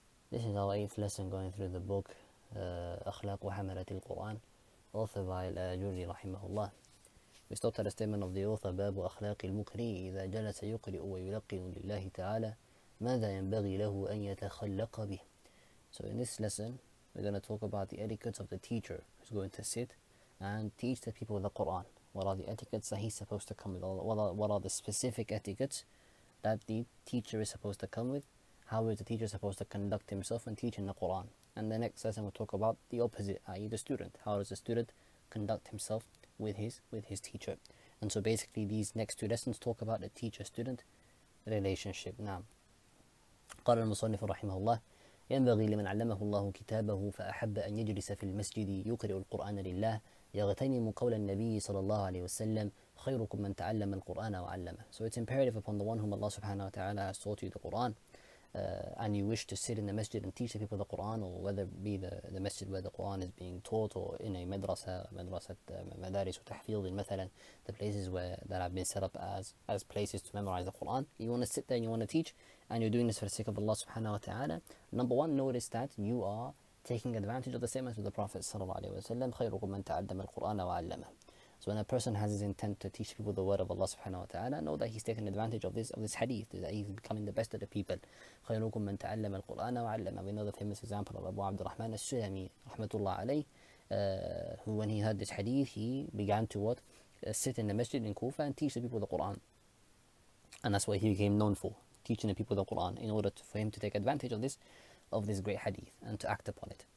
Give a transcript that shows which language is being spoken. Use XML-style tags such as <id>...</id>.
<en>This is our eighth lesson going through the book أخلاق وحملة القرآن authored by الأجري رحمه الله. We stopped at a statement of the author,</en> <ar>باب أخلاق المقري إذا جلس يقرئ ويلقن لله تعالى ماذا ينبغي له أن يتخلق به.</ar> <en>So in this lesson, we're going to talk about the etiquettes of the teacher who's going to sit and teach the people the Quran. What are the etiquettes that he's supposed to come with? What are the specific etiquettes that the teacher is supposed to come with? How is the teacher supposed to conduct himself in teaching the Quran? And the next lesson we'll talk about the opposite, i.e. the student. How does the student conduct himself with his teacher? And so basically these next two lessons talk about the teacher-student relationship. Now,</en> <ar>قال المصنف رحمه الله ينبغي لمن علمه الله كتابه فأحب أن يجلس في المسجد يقرأ القرآن لله يغتنم قول النبي صلى الله عليه وسلم خيركم من تعلم القرآن وعلمه.</ar> <en>So it's imperative upon the one whom Allah subhanahu wa ta'ala has taught you the Quran, and you wish to sit in the masjid and teach the people the Quran, or whether it be the masjid where the Quran is being taught, or in a madrasa, madaris or tahfidh مثلا, the places where that have been set up as places to memorize the Quran. You want to sit there and you want to teach, and you're doing this for the sake of Allah subhanahu wa ta'ala. Number one, notice that you are taking advantage of the statements of the Prophet sallallahu alaihi wasallam,</en> <ar>خيركم من تعلم القرآن وعلمه.</ar> <en>So when a person has his intent to teach people the word of Allah subhanahu wa ta'ala, know that he's taking advantage of this hadith, that he's becoming the best of the people.</en> <ar>خيركم من تعلم القرآن وعلمه.</ar> <en>We know the famous example of Abu Abd al-Rahman al-Sulami rahmatullah alayh, who when he heard this hadith, he began to what? Sit in the masjid in Kufa and teach the people the Quran. And that's what he became known for, teaching the people the Quran, in order for him to take advantage of this great hadith and to act upon it.</en>